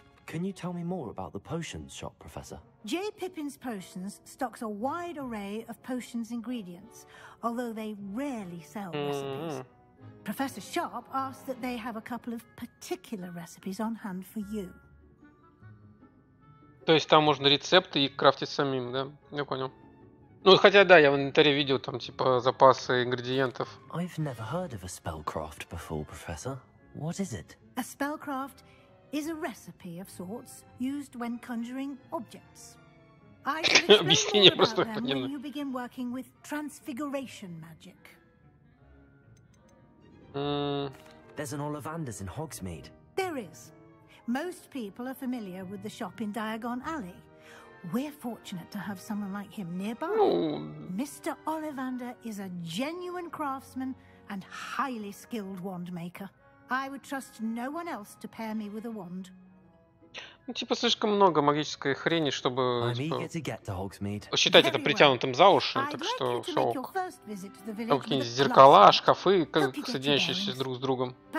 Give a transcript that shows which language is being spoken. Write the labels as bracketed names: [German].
[English] Can you tell me more about the potions shop, Professor? J. Pippin's Potions stocks a wide array of potions ingredients, although they rarely sell recipes. Professor Sharp asked that they have a couple of particular recipes on hand for you. [Russian] То есть там можно рецепты и крафтить самим, да? Я понял. Ну хотя да, я в инвентаре видел там типа запасы ингредиентов. [English] I've never heard of a spellcraft before, Professor. What is it? A spellcraft is a recipe of sorts used when conjuring objects. I can explain more about them when you begin working with transfiguration magic. There's an Ollivander's in Hogsmeade. There is. Most people are familiar with the shop in Diagon Alley. We're fortunate to have someone like him nearby. Mr. Ollivander is a genuine craftsman and highly skilled wand maker. I would trust no one else to pair me with a wand. [Russian] Ну, типа, слишком много магической хрени, чтобы типа, считать это притянутым за уши, так что все ок. Там какие-нибудь зеркала, шкафы, соединяющиеся друг с другом.